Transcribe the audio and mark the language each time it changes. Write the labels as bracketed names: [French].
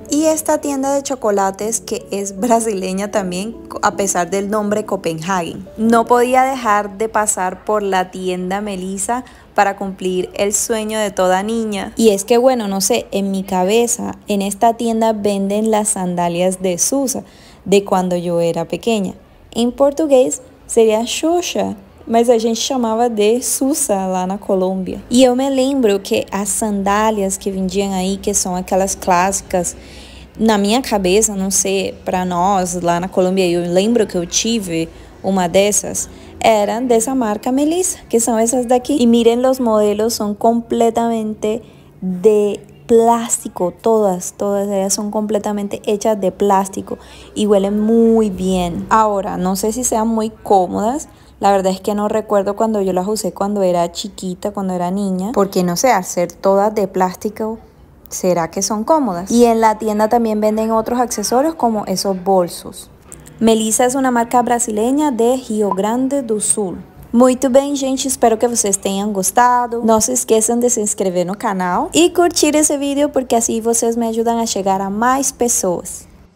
[Spanish] Y esta tienda de chocolates que es brasileña también, a pesar del nombre Copenhagen. No podía dejar de pasar por la tienda Melissa para cumplir el sueño de toda niña. Y es que bueno, no sé, en mi cabeza, en esta tienda venden las sandalias de Susa, de cuando yo era pequeña. En portugués sería Xuxa. [Portuguese] Mas a gente chamava de Susa lá na Colômbia. E eu me lembro que as sandálias que vendiam aí, que são aquelas clássicas, na minha cabeça, não sei, para nós lá na Colômbia, eu lembro que eu tive uma dessas, eram dessa marca Melissa, que são essas daqui. [Spanish] E miren, [Portuguese] os modelos são completamente de plástico, [Spanish] todas ellas son completamente hechas de plástico y huelen muy bien. Ahora, no sé si sean muy cómodas, la verdad es que no recuerdo cuando yo las usé cuando era chiquita, cuando era niña, porque no sé, al ser todas de plástico, ¿será que son cómodas? Y en la tienda también venden otros accesorios como esos bolsos. Melissa es una marca brasileña de Rio Grande do Sul. [Portuguese] Muito bem, gente, espero que vocês tenham gostado. Não se esqueçam de se inscrever no canal e curtir esse vídeo, porque assim vocês me ajudam a chegar a mais pessoas.